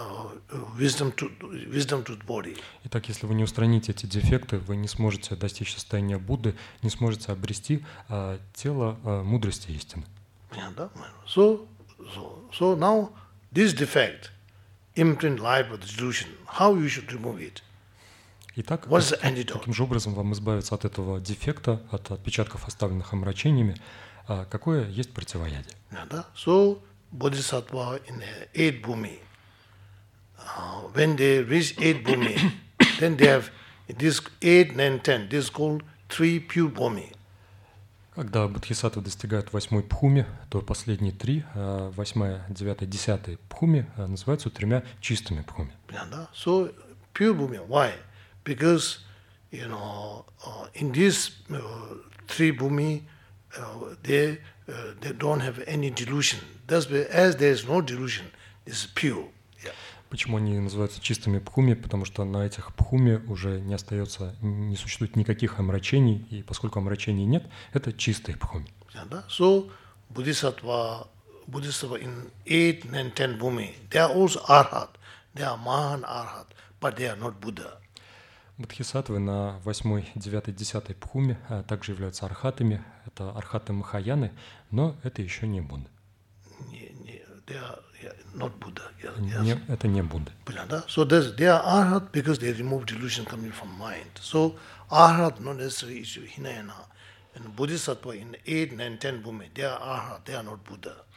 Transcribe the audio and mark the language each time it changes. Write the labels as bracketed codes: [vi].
[en] You can't achieve the wisdom to the body. [ru] Итак, если вы не устраните эти дефекты, вы не сможете достичь состояния Будды, не сможете обрести тело мудрости истины. [en] So now this defect imprint life of the delusion. How you should remove it? [ru] Итак, каким же образом вам избавиться от этого дефекта, от отпечатков, оставленных омрачениями? Какое есть противоядие? Надо. [en] So Bodhisattva in the eight bhumi. When they reach eight bhumi, then they have this eight, nine, ten. This is called three pure bhumi. [ru] Когда Бодхисаттвы достигают восьмой бхуми, то последние три, восьмая, девятая, десятая бхуми называются тремя чистыми бхуми. Надо. [en] So pure bhumi. Why? Because you know in this three bhumi. They don't have any delusion. That's because as there is no delusion, it's pure. Yeah. [ru] Почему они называются чистыми бхуми? Потому что на этих бхуми уже не остается, не существует никаких омрачений, и поскольку омрачений нет, это чистые бхуми. [en] Yeah, so Bodhisattva in 8, 9, 10 bhumi, they are also arhat, they are mahan arhat, but they are not Buddha. [ru] Бодхисаттвы на 8, 9, 10 бхуми также являются архатами. Это архаты Махаяны, но это еще не Будда. Не, не, [en] not Buddha. [ru] Это не Будда. Понятно? [en] So they are arhat because they remove delusion coming from mind. So arhat not necessarily is Hinayana. And Bodhisattva in 8, 9, 10 Bhumi, they are arhat, they are not Buddha.